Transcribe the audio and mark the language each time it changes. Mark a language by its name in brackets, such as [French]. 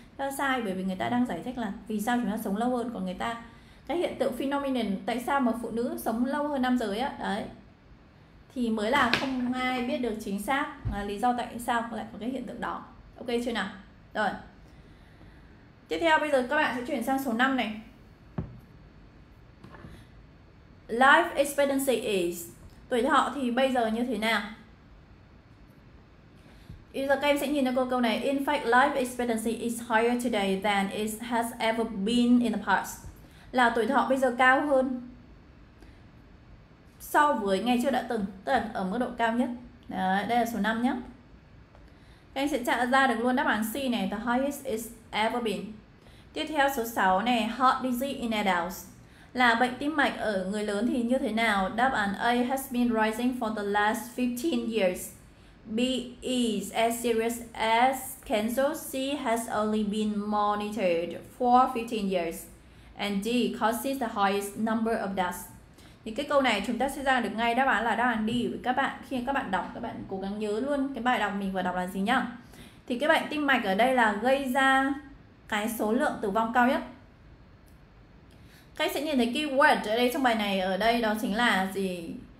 [Vietnamese] Đó sai, bởi vì người ta đang giải thích là vì sao chúng ta sống lâu hơn, còn người ta cái hiện tượng phenomenon tại sao mà phụ nữ sống lâu hơn nam giới á, đấy thì mới là không ai biết được chính xác là lý do tại sao lại có cái hiện tượng đó. Ok chưa nào? Rồi. Tiếp theo bây giờ các bạn sẽ chuyển sang số 5 này. [English] Life expectancy is [Vietnamese] tuổi thọ thì bây giờ như thế nào? Bây giờ các em sẽ nhìn cho cô câu này. [English] In fact, life expectancy is higher today than it has ever been in the past. [Vietnamese] Là tuổi thọ bây giờ cao hơn so với ngày trước đã từng, tức là ở mức độ cao nhất. Đấy, đây là số 5 nhé. Các em sẽ trả ra được luôn đáp án C này, [English] the highest it's ever been. [Vietnamese] Tiếp theo số 6 này, [English] heart disease in adults. [Vietnamese] Là bệnh tim mạch ở người lớn thì như thế nào? Đáp án [English] A has been rising for the last 15 years. B is as serious as cancer. C has only been monitored for 15 years. And D causes the highest number of deaths. [Vietnamese] Thì cái câu này chúng ta sẽ ra được ngay đáp án là đáp án D với các bạn. Khi các bạn đọc, các bạn cố gắng nhớ luôn cái bài đọc mình vừa đọc là gì nhá. Thì cái bệnh tim mạch ở đây là gây ra cái số lượng tử vong cao nhất. Các sẽ nhìn thấy keyword ở đây trong bài này, ở đây đó chính là gì?